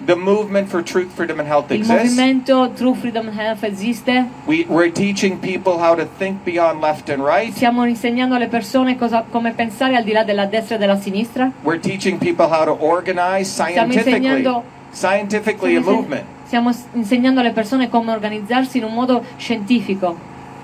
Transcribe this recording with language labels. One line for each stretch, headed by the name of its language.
English: the movement for truth, freedom and health exists.
Italian: Il movimento True Freedom and Health esiste.
English: We're teaching people how to think beyond left and right.
Italian: Stiamo insegnando alle persone come pensare al di là della destra e della sinistra.
English: We're teaching people how to organize scientifically a movement.
Italian: Stiamo insegnando alle persone come organizzarsi in un modo scientifico.